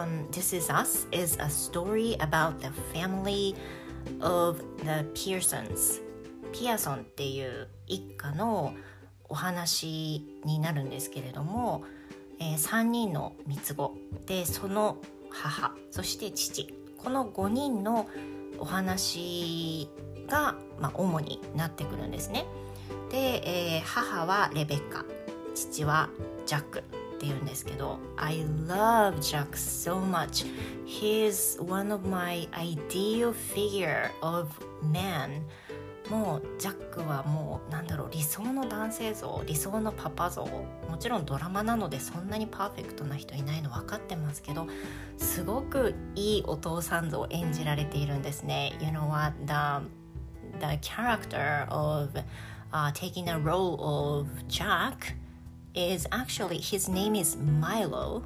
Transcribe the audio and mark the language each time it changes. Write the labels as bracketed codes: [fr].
[en] This is Us is a story about the family of the Pearsons. [ja] ピアソンっていう一家のお話になるんですけれども、3人の三つ子で、その母、そして父、この5人のお話が、まあ、主になってくるんですね。で、母はレベッカ、父はジャックっていうんですけど、 [en] I love Jack so much. He's one of my ideal figure of man. [ja] もうジャックはもうなんだろう、理想の男性像、理想のパパ像、もちろんドラマなのでそんなにパーフェクトな人いないの分かってますけど、すごくいいお父さん像演じられているんですね。 [en] You know what? The character of taking the role of Jack is actually, his name is Milo.